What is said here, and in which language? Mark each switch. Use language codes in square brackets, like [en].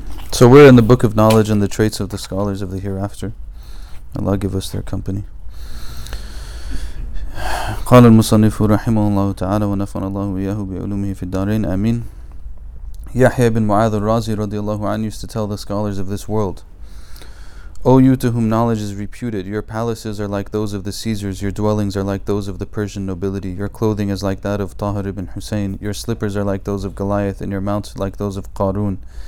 [en] So we're in the Book of Knowledge and the traits of the scholars of the hereafter. Allah give us their company. [ar] قال المصنف رحمه الله تعالى ونفعنا الله وإياه بعلومه في الدارين آمين. [en] Yahya ibn Mu'adh al-Razi radiallahu anhu used to tell the scholars of this world, O you to whom knowledge is reputed, your palaces are like those of the Caesars, your dwellings are like those of the Persian nobility, your clothing is like that of Tahir ibn Hussein, your slippers are like those of Goliath, and your mounts like those of Qarun.